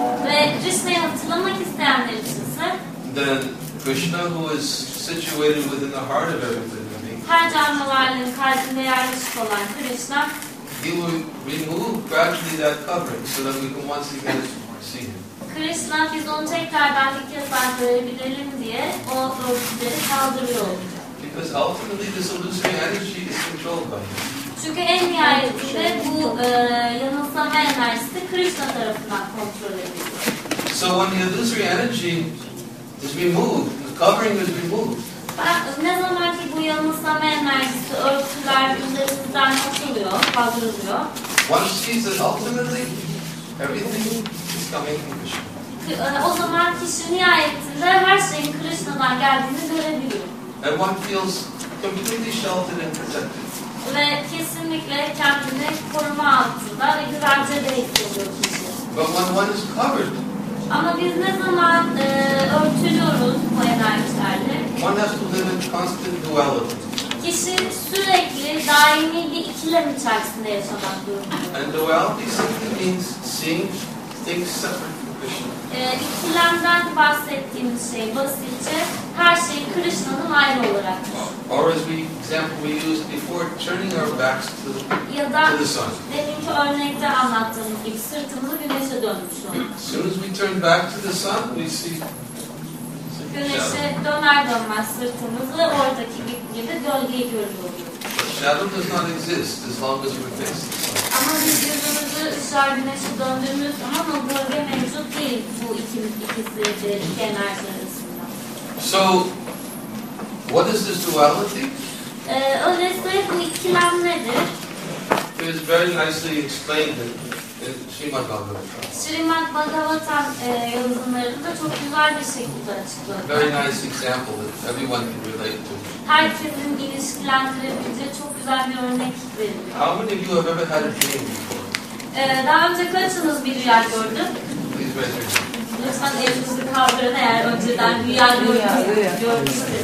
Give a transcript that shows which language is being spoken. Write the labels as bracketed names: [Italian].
[Turkish] ve Krishna'yı hatırlamak isteyenler içinse, [English] then Krishna who is situated within the heart of everything, [Turkish] her canlı varlığın kalbinde yerleşik olan Krishna, [English] he will remove gradually that covering so that we can once again see him. [Turkish] Krishna, biz onu tekrardan bir kez daha görebilelim diye o örtüleri kaldırıyor olacak. [English] Because ultimately this illusory energy is controlled by him. [Turkish] Çünkü en nihayetinde bu yanılsama enerjisi de Krishna tarafından kontrol ediliyor. [English] So when the illusory energy is removed, the covering is removed. [Turkish] Ne zaman ki bu yanılsama enerjisi örtüler üzerinden açılıyor, kaldırılıyor. [English] One sees that ultimately everything is coming from Krishna. [Turkish] O zaman kişi nihayetinde her şeyin Krishna'dan geldiğini görebiliyor. [English] And one feels completely sheltered and protected. [Turkish] Ve kesinlikle kendini koruma altında ve güvence de hissediyor kişi. [English] But when one is covered. [Turkish] Ama biz ne zaman örtülüyoruz bu enerjilerle? [English] One has to live in constant duality. [Turkish] Kişi sürekli daimi bir ikilem içerisinde yaşamak durumunda. [English] And duality simply means seeing things separate from Krishna. [Turkish] İkilemden bahsettiğimiz şey basitçe her şeyi Krishna'nın ayrı olarak. [English] Or as we example we used before, turning our backs to the sun. [Turkish] Demin ki örnekte anlattığımız gibi sırtımızı güneşe dönmüş olmak. [English] As soon as we turn back to the sun, we see [Turkish] güneşe döner dönmez sırtımızı oradaki gibi gölgeyi görüyoruz. [English] Shadow does not exist as long as we're facing the sun. [Turkish] Ama biz yüzümüzü ışığa güneşe döndüğümüz zaman o gölge mevcut değil bu ikisi enerji arasında. [English] So, what is this duality? [Turkish] Öyleyse bu ikilem nedir? [English] It is very nicely explained in Srimad Bhagavatam. [Turkish] Srimad Bhagavatam yazımlarında çok güzel bir şekilde açıklanıyor. [English] Very nice example that everyone can relate to. [Turkish] Her türün ilişkilendirebileceği çok güzel bir örnek verilir. [English] How many of you have ever had a dream before? [Turkish] Daha önce kaçınız bir rüya gördü? [English] Please raise your hand. [Turkish] Lütfen elinizi kaldırın eğer önceden rüya gördünüz.